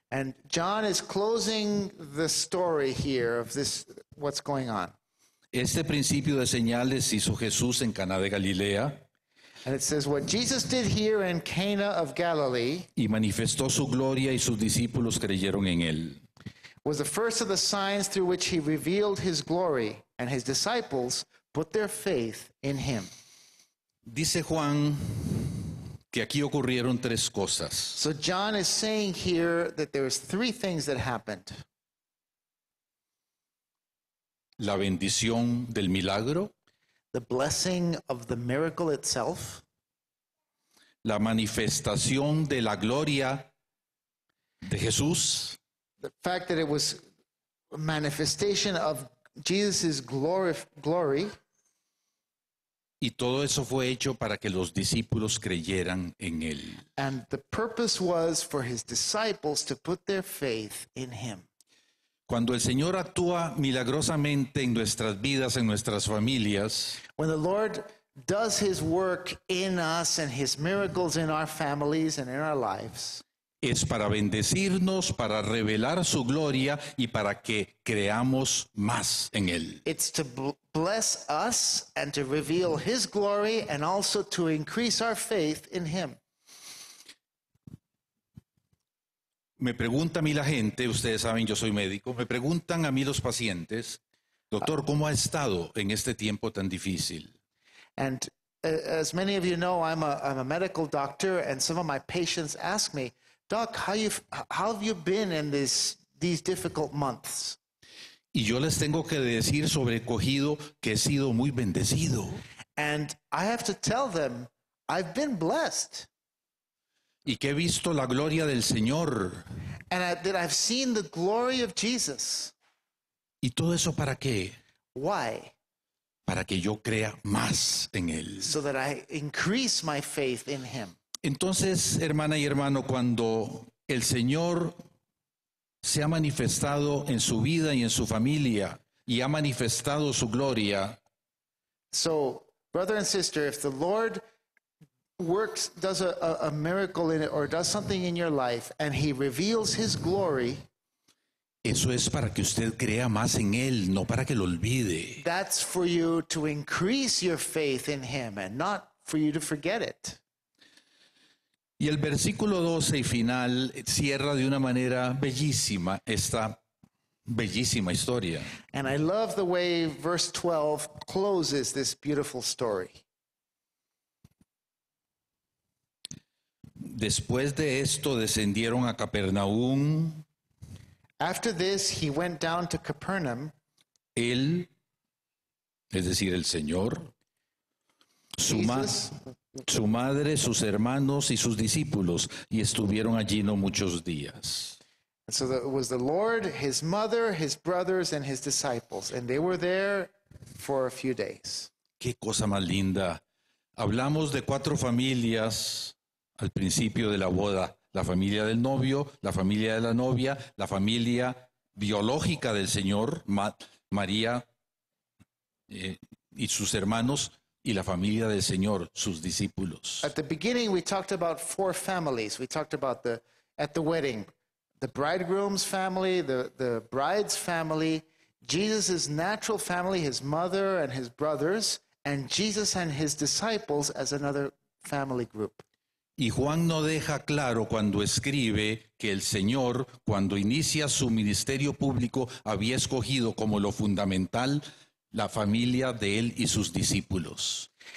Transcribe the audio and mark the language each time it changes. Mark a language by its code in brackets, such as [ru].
[en] And John is closing the story here of this, what's going on. [es] Este principio de señales hizo Jesús en Caná de Galilea. [en] And it says what Jesus did here in Cana of Galilee. [es] Y manifestó su gloria y sus discípulos creyeron en él. [en] Was the first of the signs through which he revealed his glory, and his disciples put their faith in him. [es] Dice Juan que aquí ocurrieron tres cosas. [en] So John is saying here that there was three things that happened. [es] La bendición del milagro. [en] The blessing of the miracle itself. [es] La manifestación de la gloria de Jesús. [en] The fact that it was a manifestation of Jesus' glory. [es] Y todo eso fue hecho para que los discípulos creyeran en él. [en] And the purpose was for his disciples to put their faith in him. [es] Cuando el Señor actúa milagrosamente en nuestras vidas, en nuestras familias, [en] when the Lord does his work in us and his miracles in our families and in our lives, [es] es para bendecirnos, para revelar su gloria y para que creamos más en él. [en] It's to bless us and to reveal his glory and also to increase our faith in him. [es] Me pregunta a mí la gente, ustedes saben, yo soy médico, me preguntan a mí los pacientes, doctor, ¿cómo ha estado en este tiempo tan difícil? [en] And as many of you know, I'm a medical doctor, and some of my patients ask me, doc, how have you been in these difficult months? [es] Y yo les tengo que decir sobrecogido que he sido muy bendecido. [en] And I have to tell them, I've been blessed. [es] Y que he visto la gloria del Señor. [en] And that I've seen the glory of Jesus. [es] ¿Y todo eso para qué? [en] Why? [es] Para que yo crea más en él. [en] So that I increase my faith in him. [es] Entonces, hermana y hermano, cuando el Señor se ha manifestado en su vida y en su familia y ha manifestado su gloria. [en] So, brother and sister, if the Lord works, does a miracle in it or does something in your life and he reveals his glory, [es] eso es para que usted crea más en él, no para que lo olvide. [en] That's for you to increase your faith in him and not for you to forget it. [es] Y el versículo 12 y final cierra de una manera bellísima esta bellísima historia. [en] And I love the way verse 12 closes this beautiful story. [es] Después de esto descendieron a Capernaum. [en] After this, he went down to Capernaum. [es] Él, es decir, el Señor, su madre, sus hermanos y sus discípulos, y estuvieron allí no muchos días. [en] So that was the Lord, his mother, his brothers, and his disciples, and they were there for a few days. [es] Qué cosa más linda. Hablamos de cuatro familias al principio de la boda. La familia del novio, la familia de la novia, la familia biológica del Señor, María y sus hermanos, y la familia del Señor, sus discípulos. [en] At the beginning we talked about four families. We talked about at the wedding, the bridegroom's family, the bride's family, Jesus' natural family, his mother and his brothers, and Jesus and his disciples as another family group. [es] Y Juan no deja claro cuando escribe que el Señor, cuando inicia su ministerio público, había escogido como lo fundamental la familia de él y sus discípulos.